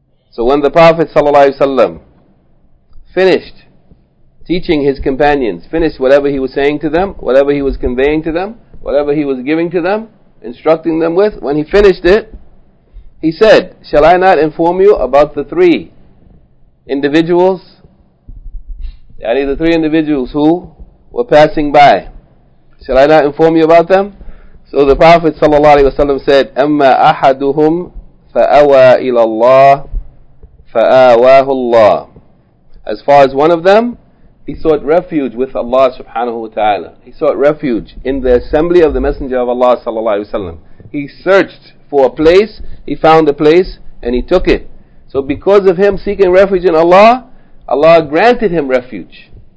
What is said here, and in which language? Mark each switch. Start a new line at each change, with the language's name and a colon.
English: So when the Prophet ﷺ finished teaching his companions, finished whatever he was saying to them, whatever he was conveying to them, whatever he was giving to them, instructing them with, when he finished it, he said, shall I not inform you about the three individuals, the three individuals who were passing by? Shall I not inform you about them? So the Prophet ﷺ said,
Arabic: أَمَّا أَحَدُهُمْ فَأَوَى إِلَى اللَّهِ فَآوَاهُ اللَّهِ.
English: As far as one of them, he sought refuge with Allah subhanahu wa ta'ala. He sought refuge in the assembly of the Messenger of Allah sallallahu alayhi wa sallam. He searched for a place, he found a place, and he took it. So because of him seeking refuge in Allah, Allah granted him refuge.